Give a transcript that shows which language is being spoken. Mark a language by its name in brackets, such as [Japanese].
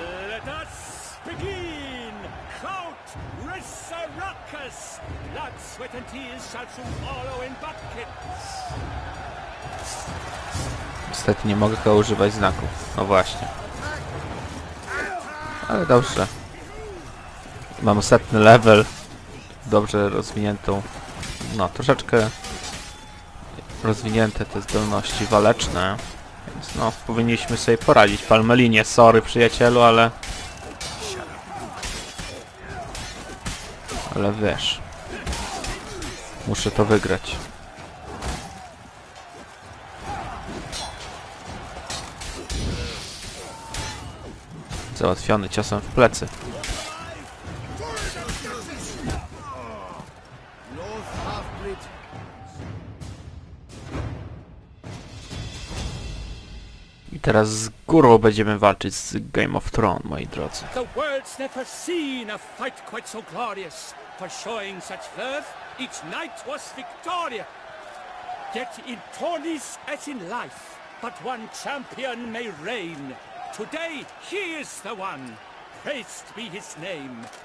[English] Let us begin! Count Rissa Ruckus! Blood, sweat and tears shall soon follow in buckets. [Polish] Niestety nie mogę go używać znaków. No właśnie. Ale dobrze. Mam setny level. Dobrze rozwiniętą. No troszeczkę rozwinięte te zdolności waleczne. Więc no powinniśmy sobie poradzić. Palmelinie, sorry przyjacielu, ale... Ale wiesz. Muszę to wygrać. Załatwiony ciosem w plecy. I teraz z górą będziemy walczyć z Game of Thrones, moi drodzy. [English] The world's never seen a fight quite so glorious. For showing such verve, each knight was victoria. Yet in tourneys as in life, but one champion may reign. Today, he is the one. Praised be his name.